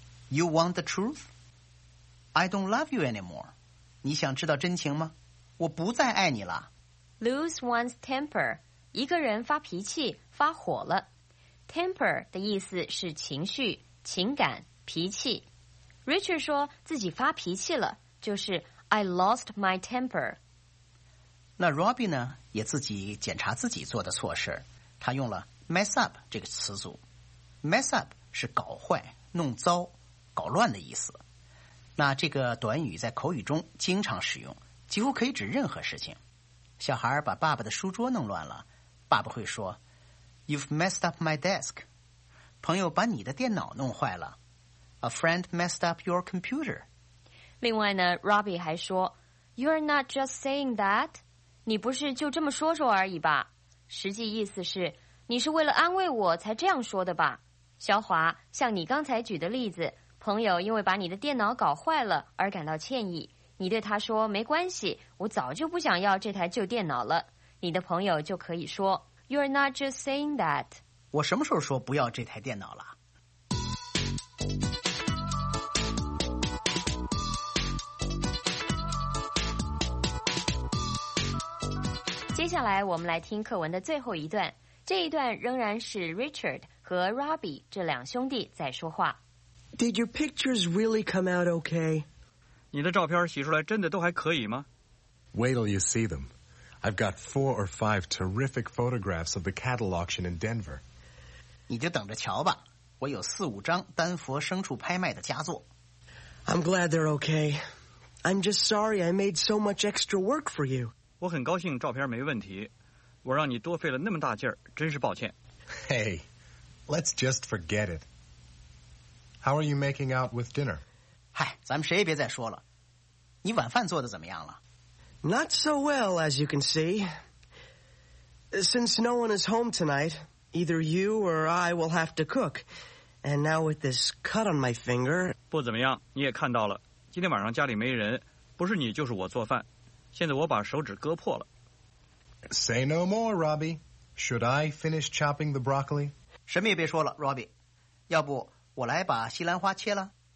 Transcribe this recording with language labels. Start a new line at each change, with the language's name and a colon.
English: You want the truth? I don't love you anymore.
Chinese: 你想知道真情吗？我不再爱你了。 Lose one's temper. 一个人发脾气，发火了。 Temper 的意思是情绪、情感、脾气。 Richard 说自己发脾气了，就是 I lost my temper. 那 Robbie 呢，也自己检查自己做的错事，他用了 mess up 这个词组。 Mess up 是搞坏、弄糟、搞乱的意思。那这个短语在口语中经常使用，几乎可以指任何事情。小孩把爸爸的书桌弄乱了，爸爸会说 You've messed up my desk.
English: 朋友把你的电脑弄坏了， A friend messed up your computer. 另外呢， Robbie 还说 You're not just saying that.
Chinese: 你不是就这么说说而已吧，实际意思是你是为了安慰我才这样说的吧。小华，像你刚才举的例子，朋友因为把你的电脑搞坏了而感到歉意，你对他说没关系，我早就不想要这台旧电脑了，你的朋友就可以说 You're not just saying that. 我什么时候说不要这台电脑了？接下来我们来听课文的最后一段，这一段仍然是 Richard 和 Robbie 这两兄弟在说话。
English: Did your pictures really come out okay?
Chinese: 你的照片洗出来真的都还可以吗？
English: Wait till you see them. I've got 4 or 5 terrific photographs of the cattle auction in Denver.
Chinese: 你就等着瞧吧，我有4-5张丹佛牲畜拍卖的佳作。
English: I'm glad they're okay. I'm just sorry I made so much extra work for you.
Chinese: 我很高兴照片没问题，我让你多费了那么大劲儿，真是抱歉。
English: Hey, let's just forget it. How are you making out with dinner?
Chinese: 嗨，咱们谁也别再说了。你晚饭做得怎么样了？
English: Not so well, as you can see. Since no one is home tonight, either you or I will have to cook. And now with this cut on my finger...
Chinese: 不怎么样，你也看到了。今天晚上家里没人，不是你就是我做饭。现在我把手指割破了。
English: Say no more, Robbie. Should I finish chopping the broccoli?
Chinese: 什么也别说了，Robbie。要不我来把西兰花切了。